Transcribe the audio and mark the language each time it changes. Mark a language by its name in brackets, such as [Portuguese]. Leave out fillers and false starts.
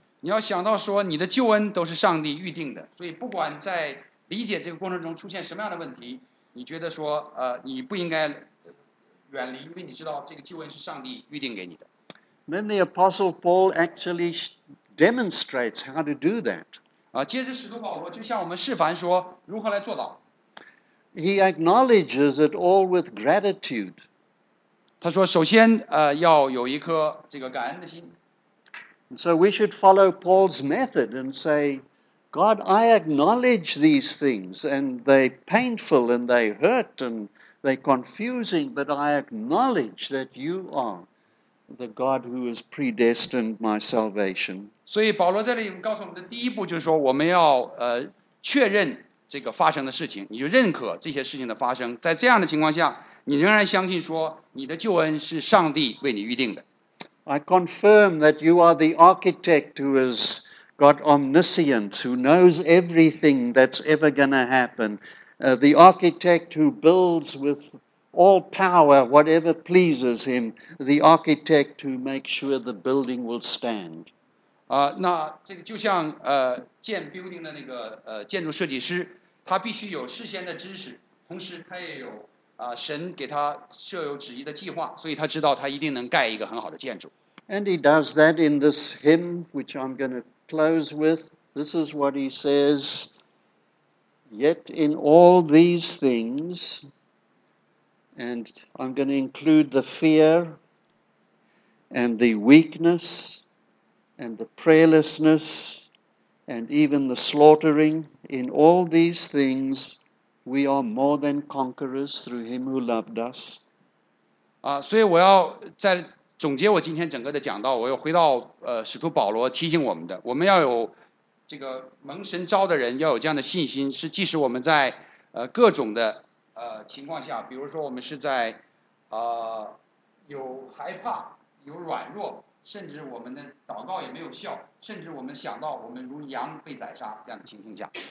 [Chinese] 你要想到说，你的救恩都是上帝预定的，所以不管在理解这个过程中出现什么样的问题，你觉得说，你不应该远离，因为你知道这个救恩是上帝预定给你的。 [English] Then the Apostle Paul actually demonstrates how to do that. [Chinese] 接着使徒保罗就向我们示范说如何来做到。 [English] He acknowledges it all with gratitude. [Chinese] 他说首先要有一颗这个感恩的心。 [English] So we should follow Paul's method and say, God, I acknowledge these things and they're painful and they hurt and they're confusing, but I acknowledge that you are the God who has predestined my salvation. [Chinese] 所以保罗这里告诉我们的第一步就是说我们要确认这个发生的事情，你就认可这些事情的发生。在这样的情况下，你仍然相信说你的救恩是上帝为你预定的。 [English] I confirm that you are the architect who has got omniscience, who knows everything that's ever going to happen, the architect who builds with all power whatever pleases him, the architect who makes sure the building will stand. [Chinese] 那这个就像建 building 的那个建筑设计师。他必须有事先的知识，同时他也有神给他设有旨意的计划，所以他知道他一定能盖一个很好的建筑。 [English] And he does that in this hymn, which I'm going to close with. This is what he says. Yet in all these things, and I'm going to include the fear, and the weakness, and the prayerlessness, and even the slaughtering. In all these things, we are more than conquerors through Him who loved us. [Chinese] 所以我要再总结我今天整个的讲道。我又回到使徒保罗提醒我们的：我们要有这个蒙神召的人要有这样的信心，是即使我们在各种的情况下，比如说我们是在有害怕、有软弱，甚至我们的祷告也没有效，甚至我们想到我们如羊被宰杀这样的情形下。